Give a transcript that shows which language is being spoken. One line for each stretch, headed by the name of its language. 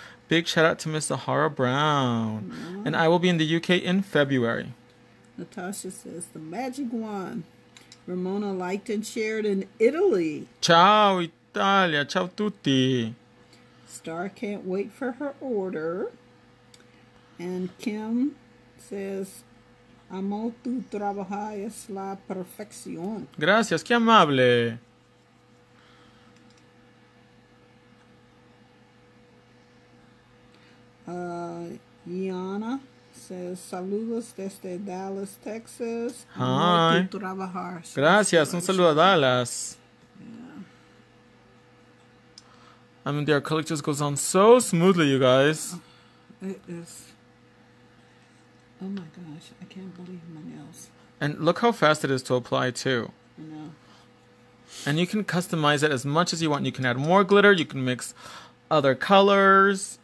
English: Big shout out to Miss Sahara Brown. Mm-hmm. And I will be in the UK in February. Natasha says, the magic wand. Ramona liked and shared in Italy.
Italian: Ciao, Italia. Ciao, tutti.
English: Star can't wait for her order. And Kim says,
Spanish: amo tu trabajo es la perfección. Gracias, qué amable. Yana says, saludos desde Dallas, Texas. Hi. Amo tu trabajo. Gracias, un saludo a Dallas.
English: Yeah. I mean, their colleague just goes on so smoothly, you guys. It is. Oh my gosh, I can't believe my nails. And look how fast it is to apply too. I know. And you can customize it as much as you want. You can add more glitter, you can mix other colors.